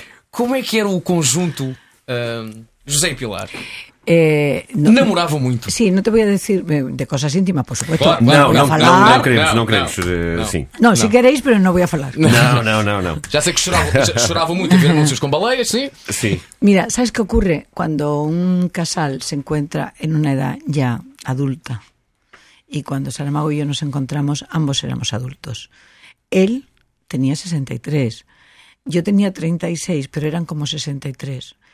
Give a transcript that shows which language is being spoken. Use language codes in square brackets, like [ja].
[pt] Como é que era o conjunto? José y Pilar namoravam muito. [es] Sí, no te voy a decir de cosas íntimas, por supuesto. No queremos. Sim. No, si queréis, pero no voy a hablar. No. [pt] Já sei que choravam muito e viram anúncios com baleias, sim? Sim. [es] Mira, ¿sabes qué ocurre cuando un casal se encuentra en una edad ya adulta? Y cuando Saramago y yo nos encontramos, ambos éramos adultos. Él tenía 63. Yo tenía 36, pero eran como 63.